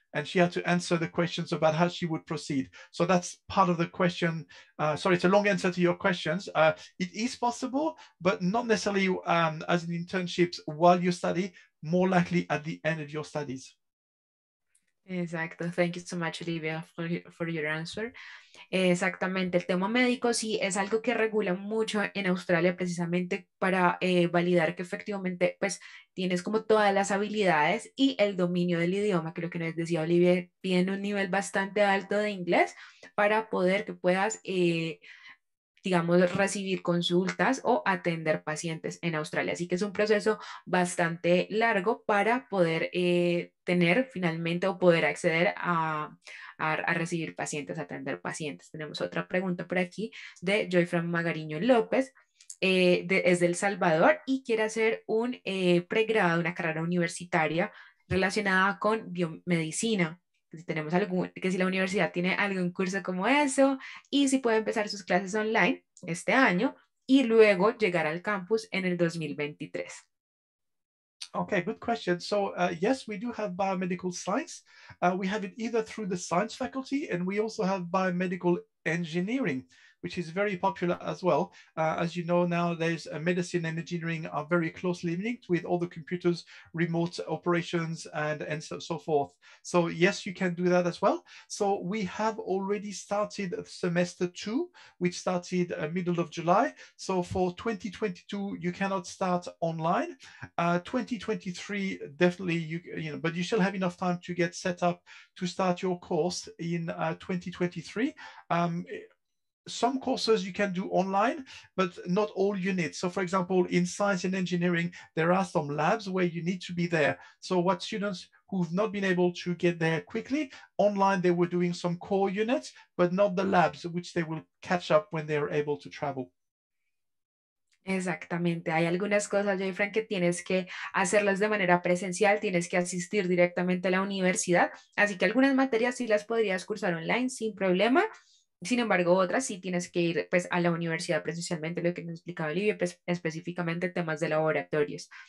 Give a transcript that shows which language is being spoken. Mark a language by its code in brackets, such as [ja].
[en] And she had to answer the questions about how she would proceed. So that's part of the question. Sorry, it's a long answer to your questions. It is possible, but not necessarily as an internship while you study, more likely at the end of your studies. Exacto, thank you so much, Olivia, for your answer. [es] Exactamente, el tema médico sí es algo que regula mucho en Australia, precisamente para validar que efectivamente pues tienes como todas las habilidades y el dominio del idioma, que lo que nos decía Olivia, tiene un nivel bastante alto de inglés para poder que puedas, digamos, recibir consultas o atender pacientes en Australia. Así que es un proceso bastante largo para poder tener finalmente o poder acceder a recibir pacientes, atender pacientes. Tenemos otra pregunta por aquí de Joy from Magariño López. Es de El Salvador y quiere hacer un pregrado, una carrera universitaria relacionada con biomedicina. Si tenemos algún, que si la universidad tiene algún curso como eso, y si puede empezar sus clases online este año y luego llegar al campus en el 2023. [en] Okay, good question. So yes, we do have biomedical science. We have it either through the science faculty, and we also have biomedical engineering, which is very popular as well. As you know, nowadays medicine and engineering are very closely linked with all the computers, remote operations, and so forth. So yes, you can do that as well. So we have already started semester two, which started middle of July. So for 2022, you cannot start online. 2023, definitely but you still have enough time to get set up to start your course in 2023. Some courses you can do online, but not all units. So, for example, in science and engineering, there are some labs where you need to be there. So, what students who've not been able to get there quickly online, they were doing some core units, but not the labs, which they will catch up when they are able to travel. [es] Exactamente, hay algunas cosas, Jeffrey, que tienes que hacerlas de manera presencial, tienes que asistir directamente a la universidad, así que algunas materias sí las podrías cursar online sin problema. Sin embargo, otras sí tienes que ir pues a la universidad presencialmente, lo que nos explicaba Olivia, pues, específicamente temas de laboratorios.